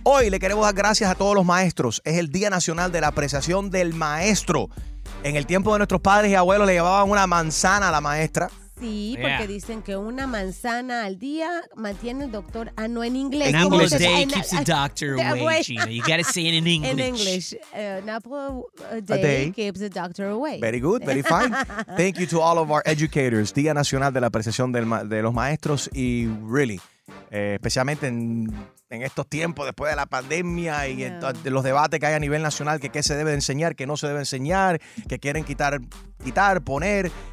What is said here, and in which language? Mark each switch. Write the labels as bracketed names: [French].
[Spanish] Hoy le queremos dar gracias a todos los maestros. Es el Día Nacional de la Apreciación del Maestro. En el tiempo de nuestros padres y abuelos le llevaban una manzana a la maestra. Sí, porque dicen que una manzana al día mantiene el doctor. Ah, no, en inglés. [English] An apple a day keeps the doctor away, Gina. You gotta say it in English. In English. An apple a day keeps the doctor away. Very good, very fine. Thank you to all of our educators. [Spanish] Día Nacional de la Apreciación de los Maestros. Y really, especialmente en estos tiempos, después de la pandemia y de los debates que hay a nivel nacional, que qué se debe enseñar, qué no se debe enseñar, que quieren quitar, poner...